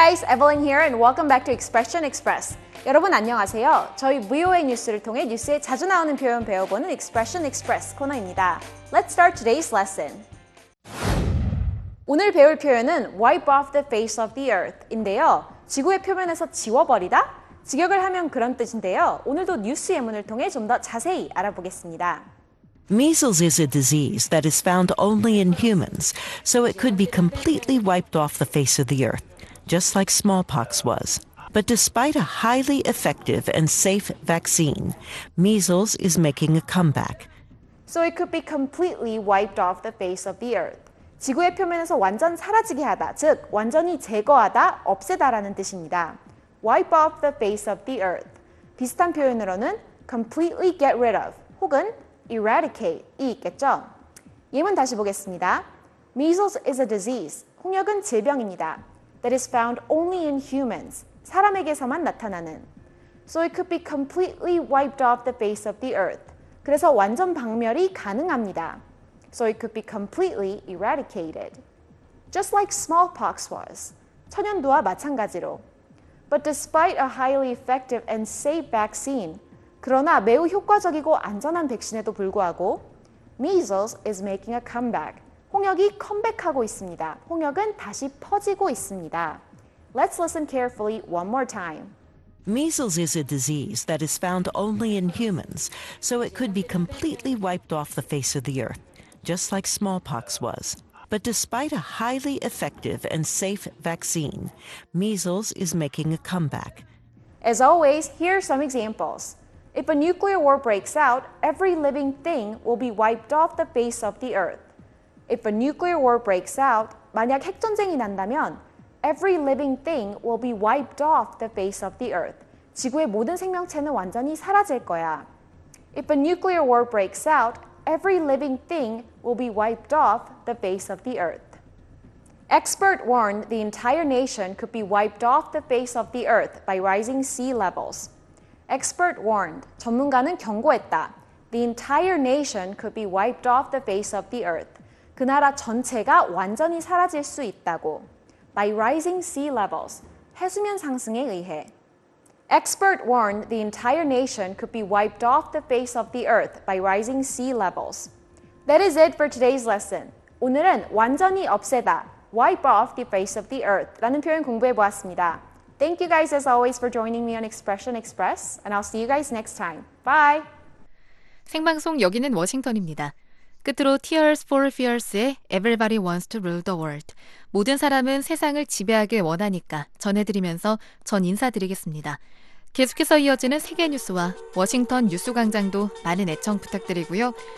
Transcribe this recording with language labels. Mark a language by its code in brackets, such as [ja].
[en] 에벨린 here and welcome back to Expression Express. [ko] 여러분 안녕하세요. 저희 VOA 뉴스를 통해 뉴스에 자주 나오는 표현 배워보는 Expression Express 코너입니다. [en] Let's start today's lesson. [ko] 오늘 배울 표현은 [en] wipe off the face of the earth인데요. [ko] 지구의 표면에서 지워버리다? 직역을 하면 그런 뜻인데요. 오늘도 뉴스 예문을 통해 좀 더 자세히 알아보겠습니다. [en] Measles is a disease that is found only in humans, so it could be completely wiped off the face of the earth. Just like smallpox was. But despite a highly effective and safe vaccine, measles is making a comeback. So it could be completely wiped off the face of the earth. [ko] 지구의 표면에서 완전 사라지게 하다, 즉 완전히 제거하다, 없애다라는 뜻입니다. [en] Wipe off the face of the earth. [ko] 비슷한 표현으로는 completely get rid of 혹은 eradicate이 있겠죠. [en] 예문 다시 보겠습니다. Measles is a disease. [ko] 홍역은 질병입니다. [en] That is found only in humans, [ko] 사람에게서만 나타나는. [en] So it could be completely wiped off the face of the earth. [ko] 그래서 완전 박멸이 가능합니다. [en] So it could be completely eradicated. Just like smallpox was, [ko] 천연두와 마찬가지로. [en] But despite a highly effective and safe vaccine, [ko] 그러나 매우 효과적이고 안전한 백신에도 불구하고, [en] measles is making a comeback. [ko] 홍역이 컴백하고 있습니다. 홍역은 다시 퍼지고 있습니다. [en] Let's listen carefully one more time. Measles is a disease that is found only in humans, so it could be completely wiped off the face of the earth, just like smallpox was. But despite a highly effective and safe vaccine, measles is making a comeback. As always, here are some examples. If a nuclear war breaks out, every living thing will be wiped off the face of the earth. If a nuclear war breaks out, [ko] 만약 핵전쟁이 난다면, [en] every living thing will be wiped off the face of the earth. [ko] 지구의 모든 생명체는 완전히 사라질 거야. [en] If a nuclear war breaks out, every living thing will be wiped off the face of the earth. Expert warned the entire nation could be wiped off the face of the earth by rising sea levels. Expert warned, [ko] 전문가는 경고했다. [en] The entire nation could be wiped off the face of the earth. [ko] 그 나라 전체가 완전히 사라질 수 있다고. [en] By rising sea levels, [ko] 해수면 상승에 의해. [en] Expert warned the entire nation could be wiped off the face of the earth by rising sea levels. That is it for today's lesson. [ko] 오늘은 완전히 없애다, wipe off the face of the earth 라는 표현 공부해 보았습니다. [en] Thank you guys as always for joining me on Expression Express, and I'll see you guys next time. Bye! [ko] 생방송 여기는 워싱턴입니다. 끝으로 Tears for Fears의 Everybody Wants to Rule the World, 모든 사람은 세상을 지배하길 원하니까 전해드리면서 전 인사드리겠습니다. 계속해서 이어지는 세계 뉴스와 워싱턴 뉴스 광장도 많은 애청 부탁드리고요.